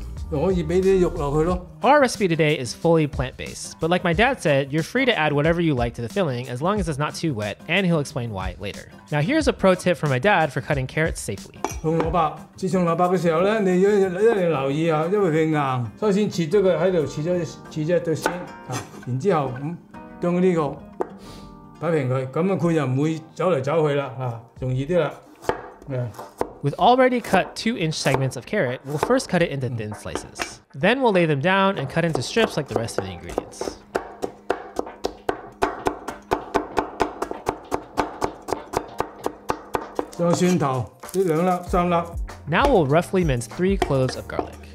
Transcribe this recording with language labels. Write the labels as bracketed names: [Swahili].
[English] Our recipe today is fully plant-based, but like my dad said, you're free to add whatever you like to the filling as long as it's not too wet, and he'll explain why later. Now here's a pro tip from my dad for cutting carrots safely. [Cantonese] 用蘿蔔,自從蘿蔔的時候呢,你一定要留意啊,因為它硬,所以先切這個,切這一條,切這一條先,然後,這樣它就不會走來走去了,容易一點了。 [English] With already cut 2-inch segments of carrot, we'll first cut it into thin slices. Then we'll lay them down and cut into strips like the rest of the ingredients. [Cantonese] 用蒜頭,一兩粒,三粒。 [English] Now we'll roughly mince 3 cloves of garlic.